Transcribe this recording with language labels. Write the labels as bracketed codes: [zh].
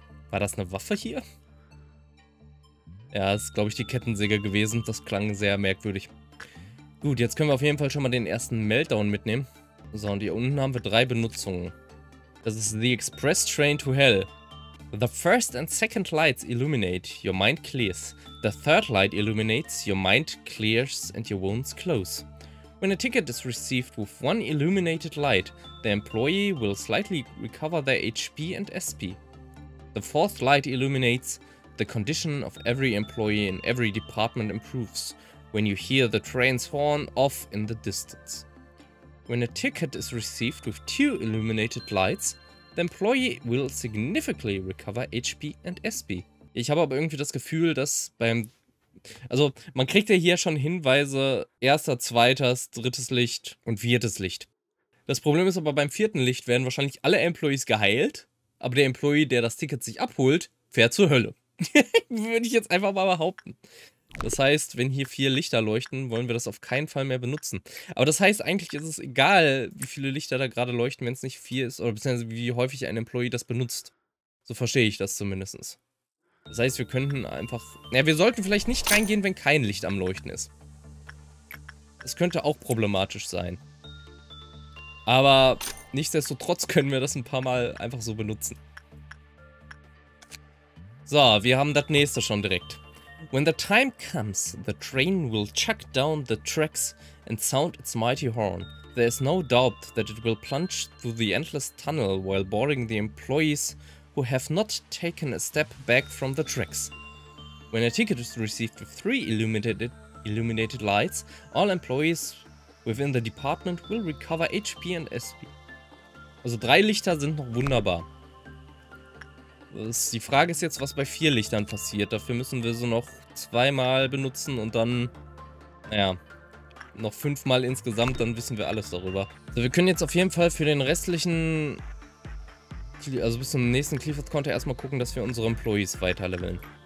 [de] War das eine Waffe hier? Ja, das ist, glaube ich, die Kettensäge gewesen. Das klang sehr merkwürdig. Gut, jetzt können wir auf jeden Fall schon mal den ersten Meltdown mitnehmen. So, und hier unten haben wir drei Benutzungen. Das ist The Express Train to Hell. [en] The first and second lights illuminate, your mind clears. The third light illuminates, your mind clears and your wounds close. When a ticket is received with one illuminated light, the employee will slightly recover their HP and SP. The fourth light illuminates, the condition of every employee in every department improves when you hear the train's horn off in the distance. When a ticket is received with two illuminated lights, the employee will significantly recover HP and SP. [de] Ich habe aber irgendwie das Gefühl, dass beim... Also, man kriegt ja hier schon Hinweise, erster, zweiter, drittes Licht und viertes Licht. Das Problem ist aber, beim vierten Licht werden wahrscheinlich alle Employees geheilt, aber der Employee, der das Ticket sich abholt, fährt zur Hölle. Würde ich jetzt einfach mal behaupten. Das heißt, wenn hier vier Lichter leuchten, wollen wir das auf keinen Fall mehr benutzen. Aber das heißt, eigentlich ist es egal, wie viele Lichter da gerade leuchten, wenn es nicht vier ist, oder beziehungsweise wie häufig ein Employee das benutzt. So verstehe ich das zumindest. Das heißt, wir könnten einfach... Ja, wir sollten vielleicht nicht reingehen, wenn kein Licht am Leuchten ist. Das könnte auch problematisch sein. Aber nichtsdestotrotz können wir das ein paar Mal einfach so benutzen. So, wir haben das nächste schon direkt. [en] When the time comes, the train will chuck down the tracks and sound its mighty horn. There is no doubt that it will plunge through the endless tunnel while boarding the employees who have not taken a step back from the tracks. When a ticket is received with three illuminated lights, all employees within the department will recover HP and SP. [de] Also drei Lichter sind noch wunderbar. Die Frage ist jetzt, was bei vier Lichtern passiert. Dafür müssen wir sie noch zweimal benutzen und dann, naja, noch fünfmal insgesamt, dann wissen wir alles darüber. Also wir können jetzt auf jeden Fall für den restlichen, also bis zum nächsten Clifford-Konto erstmal gucken, dass wir unsere Employees weiterleveln.